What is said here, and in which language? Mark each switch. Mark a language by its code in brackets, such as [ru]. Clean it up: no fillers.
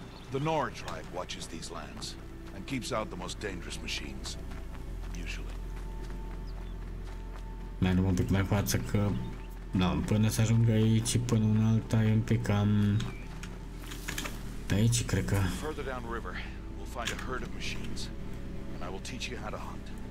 [en] The Nora tribe watches these lands and keeps out the most dangerous machines, usually. [ro] Mai am un pic mai față că... da, până să ajung aici, până în alta, e un pic cam... aici, cred că. [en] Further down river, we'll find a herd of machines, and I will teach you how to hunt.